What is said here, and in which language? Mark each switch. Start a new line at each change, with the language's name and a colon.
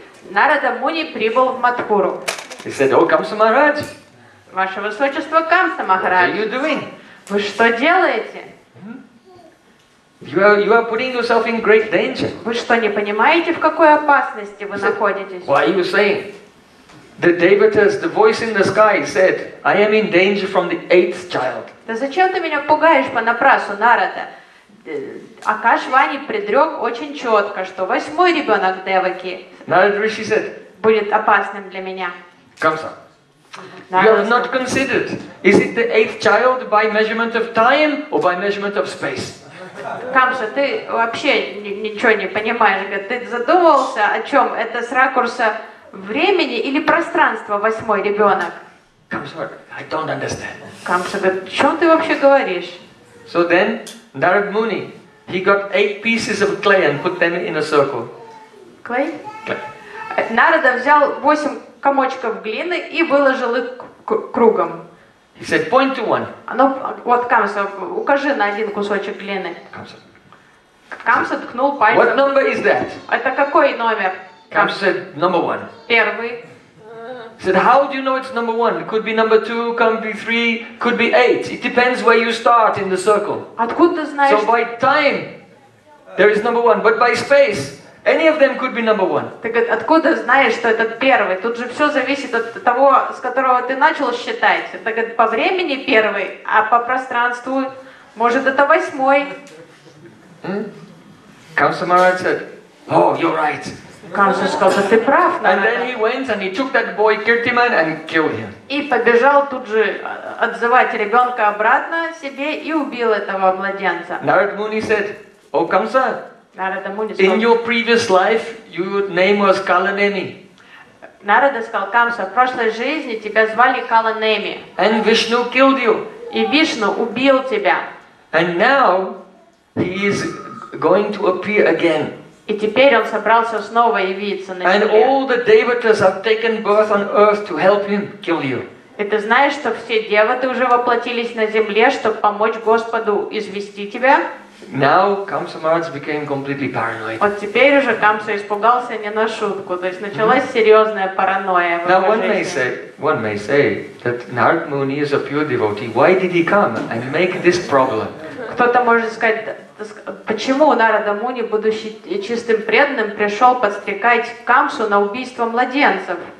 Russian: Нарада Муни прибыл в Матхуру.
English: He said, "О, Камса Махарадж,
Russian: ваше высочество Камса Махарадж,
English: what are you doing?
Russian: Вы что делаете?
English: You are putting yourself in great danger.
Russian: Вы что не понимаете, в какой опасности вы находитесь?
English: What are you saying? The Devatas, the voice in the sky said, I am in danger from the eighth child.
Russian: Да зачем ты меня пугаешь понапрасну, Нарада? Акашвани предрек очень четко, что восьмой ребенок Деваки
English: said,
Russian: будет опасным для меня.
English: Камса, you have not considered. Is it the eighth child by measurement of time or by measurement of space?
Russian: Камса, ты вообще ничего не понимаешь. Ты задумывался о чем? Это с ракурса времени или пространства восьмой ребенок?
English: Камса, I don't understand.
Russian: Камса, о чем ты вообще говоришь?
English: So then Narad Muni, he got 8 pieces of clay and put them in a circle. Clay?
Russian: Нарада взял 8 комочков глины и выложил их кругом.
English: He said, point to one.
Russian: Вот Камса, укажи на один кусочек глины. Камса ткнул пальцем.
English: What number is that?
Russian: Это какой номер?
English: Камса said, number one.
Russian: Первый.
English: He said, how do you know it's number one? It could be number two, could be three, could be eight. It depends where you start in the circle.
Russian: Откуда ты знаешь?
English: So by time, there is number one. But by space, any of them could be number one.
Russian: Ты говоришь, откуда знаешь, что этот первый? Тут же все зависит от того, с которого ты начал считать. Ты говоришь, по времени первый, а по пространству, может, это восьмой.
English: Kamsa Maharaj said, oh, you're right.
Russian: Камса сказал, ты прав, Нарада.
English: And then he went and he took that boy Kirtiman and killed him.
Russian: И побежал тут же отзывать ребенка обратно себе и убил этого младенца.
English: Narada Muni said, "О, Камса, Narada Muni said, in your previous life your name was Kalaneni.
Russian: Нарада сказал, Камса, в прошлой жизни тебя звали Каланеми.
English: And Vishnu killed you.
Russian: И Вишну убил тебя.
English: And now he is going to appear again.
Russian: И теперь он собрался снова явиться на земле.
English: And all the devatas have taken birth on earth to help him kill you.
Russian: И ты знаешь, что все деваты уже воплотились на земле, чтобы помочь Господу извести тебя?
English: Now Kamsa Maharaj became completely paranoid.
Russian: Вот теперь уже Камса испугался не на шутку, то есть началась серьезная паранойя в его жизни.
English: One may say that Narad Muni is a pure devotee. Why did he come and make this problem?
Russian: Кто-то может сказать, почему Нарада Муни, будучи чистым преданным, пришел подстрекать Камсу на убийство младенцев?